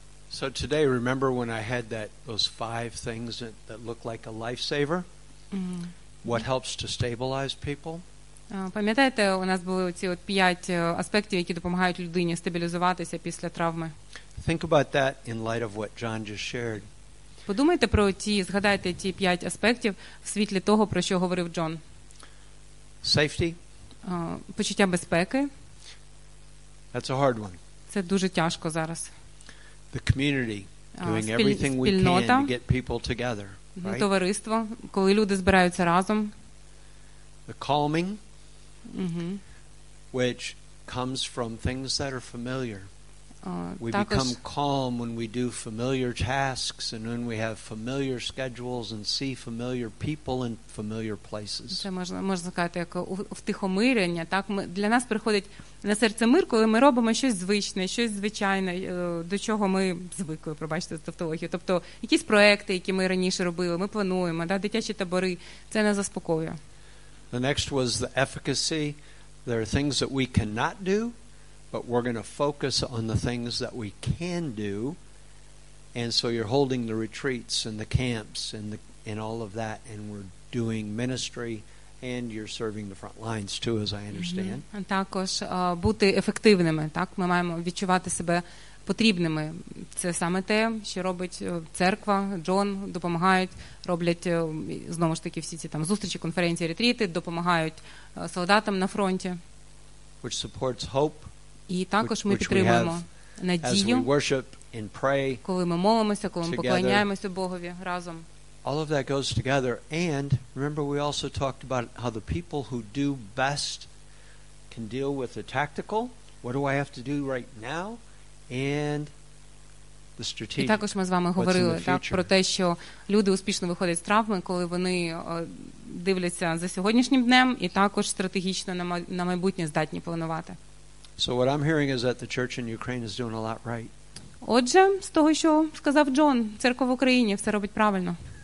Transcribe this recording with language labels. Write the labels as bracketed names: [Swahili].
[English] So today, remember when I had those five things that look like a lifesaver? What helps to stabilize people? [Ukrainian] Пам'ятаєте, у нас були ці от п'ять аспектів, які допомагають людині стабілізуватися після травми? [English] Think about that in light of what John just shared. [Ukrainian] Подумайте про ті, згадайте ті п'ять аспектів в світлі того, про що говорив Джон. [English] Safety. [Ukrainian] Почуття безпеки. [English] That's a hard one. [Ukrainian] Це дуже тяжко зараз. [English] The community doing everything we can to get people together, right? [Ukrainian] Товариство, коли люди збираються разом. [English] The calming. Which comes from things that are familiar. We become calm when we do familiar tasks and when we have familiar schedules and see familiar people in familiar places. [Ukrainian] Це можна сказати, як втихомирення, так ми для нас приходить на серце мир, коли ми робимо щось звичне, щось звичайне, до чого ми звикли, пробачте за тавтологію. Тобто якісь проекти, які ми раніше робили, ми плануємо, да, дитячі табори, це нас заспокоює. [English] The next was the efficacy. There are things that we cannot do, but we're going to focus on the things that we can do. And so you're holding the retreats and the camps and the, and all of that, and we're doing ministry, and you're serving the front lines too, as I understand. [Ukrainian] Також бути ефективними, так? Ми маємо відчувати себе потрібними. Це саме те, що робить церква, Джон, допомагають, роблять, знову ж таки, всі ці там зустрічі, конференції, ретріти, допомагають солдатам на фронті. [English] Which supports hope. [Ukrainian] І також ми підтримуємо надію, [English] as we worship and pray, [Ukrainian] коли ми молимося, коли ми поклоняємося Богові разом. [English] All of that goes together. And remember, we also talked about how the people who do best can deal with the tactical. What do I have to do right now? And the strategic. [Ukrainian] І також ми з вами говорили так, про те, що люди успішно виходять з травми, коли вони дивляться за сьогоднішнім днем і також стратегічно на майбутнє здатні планувати. [English] So what I'm hearing is that the church in Ukraine is doing a lot right. [Ukrainian] Отже, з того, що сказав Джон, церква в Україні все робить правильно.